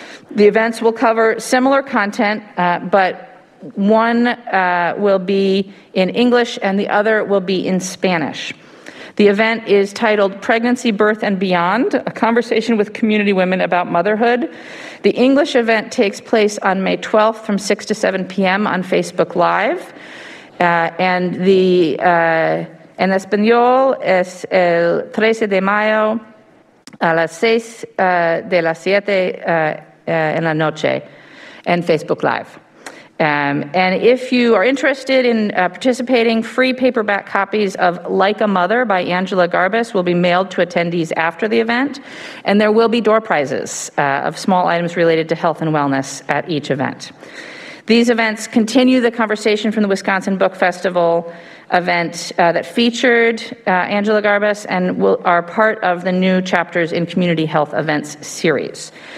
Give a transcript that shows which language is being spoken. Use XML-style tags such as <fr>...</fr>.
<en>The events will cover similar content, but one will be in English and the other will be in Spanish. The event is titled Pregnancy, Birth, and Beyond, a conversation with community women about motherhood. The English event takes place on May 12th from 6 to 7 p.m. on Facebook Live. And the</en> <es>en español es el 13 de mayo a las 6 de las 7 en la noche en Facebook Live.</es> <en>And if you are interested in participating, free paperback copies of Like a Mother by Angela Garbus will be mailed to attendees after the event. And there will be door prizes of small items related to health and wellness at each event. These events continue the conversation from the Wisconsin Book Festival event that featured Angela Garbus and are part of the new Chapters in Community Health Events series.</en>